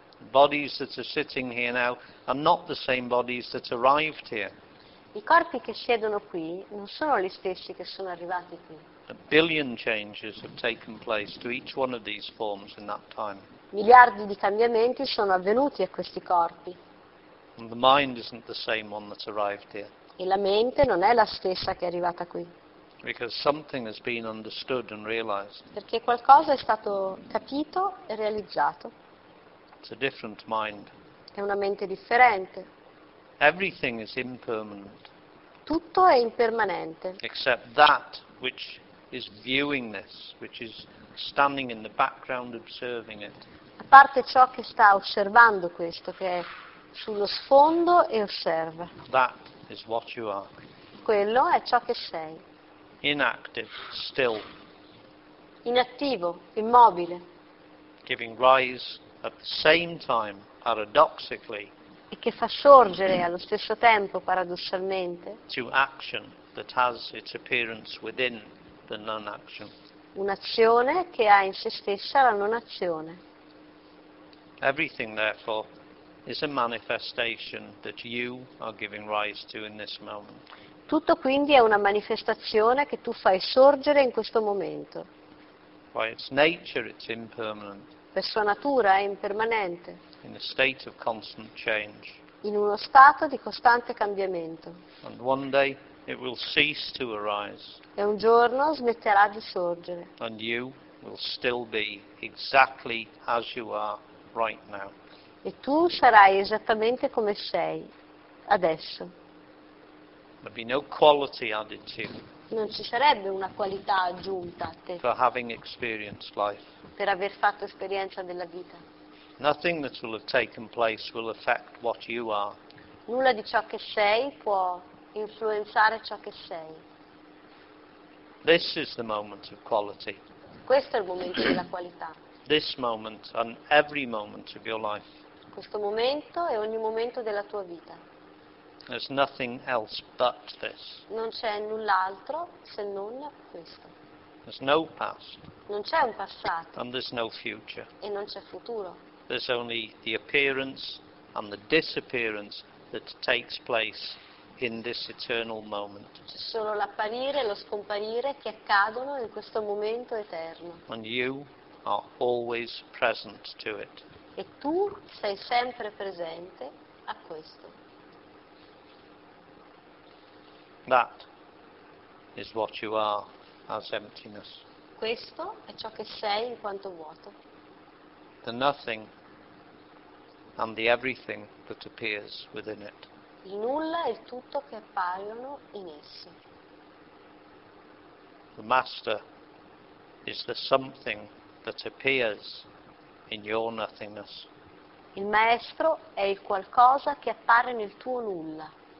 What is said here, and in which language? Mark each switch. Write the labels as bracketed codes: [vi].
[en] Bodies that are sitting here now are not the same bodies that arrived here. [it] I corpi che siedono qui non sono gli stessi che sono arrivati qui. [en] A billion changes have taken place to each one of these forms in that time. [it] Miliardi di cambiamenti sono avvenuti a questi corpi. E [en] And the mind isn't the same one that arrived here. [it] la mente non è la stessa che è arrivata qui. Perché [en] Because something has been understood and realized. [it] qualcosa è stato capito e realizzato. [en] It's a different mind. [it] È una mente differente. [en] Everything is impermanent, [it] Tutto è impermanente. [en] except that which is viewing this, which is standing in the background observing it. [it] A parte ciò che sta osservando questo, che è sullo sfondo e osserva. [en] That is what you are. [it] Quello è ciò che sei. [en] Inactive, still, [it] Inattivo, immobile. [en] giving rise at the same time, paradoxically, [it] E che fa sorgere allo stesso tempo, paradossalmente, [en] to action that has its appearance within the non-action. [it] un'azione che ha in se stessa la non azione. [en] Everything, therefore, is a manifestation that you are giving rise to in this moment. [it] Tutto quindi è una manifestazione che tu fai sorgere in questo momento. [en] By its nature, it's impermanent. [it] Per sua natura è impermanente. [en] In a state of constant change. [it] in uno stato di costante cambiamento. [en] And one day it will cease to arise. [it] E un giorno smetterà di sorgere. [en] And you will still be exactly as you are right now. [it] E tu sarai esattamente come sei adesso. [en] There'll be no quality added to you. [it] Non ci sarebbe una qualità aggiunta a te. [en] For having experienced life. [it] Per aver fatto esperienza della vita. [en] Nothing that will have taken place will affect what you are. [it] Nulla di ciò che sei può influenzare ciò che sei. [en] This is the moment of quality. [it] Questo è il momento della qualità. [en] This moment and every moment of your life. [it] Questo momento e ogni momento della tua vita. [en] There's nothing else but this. [it] Non c'è null'altro se non questo. [en] There's no past. [it] Non c'è un passato. [en] And there's no future. [it] E non c'è futuro. [en] There's only the appearance and the disappearance that takes place in this eternal moment. [it] C'è solo l'apparire e lo scomparire che accadono in questo momento eterno. [en] And you are always present to it. [it] E tu sei sempre presente a questo. [en] That is what you are as emptiness. [it] Questo è ciò che sei in quanto vuoto. [en] The nothing and the everything that appears within it. [it] Il nulla e il tutto che appaiono in esso. [en] The master is the something that appears in your nothingness. [it] Il maestro è il qualcosa che appare nel tuo nulla.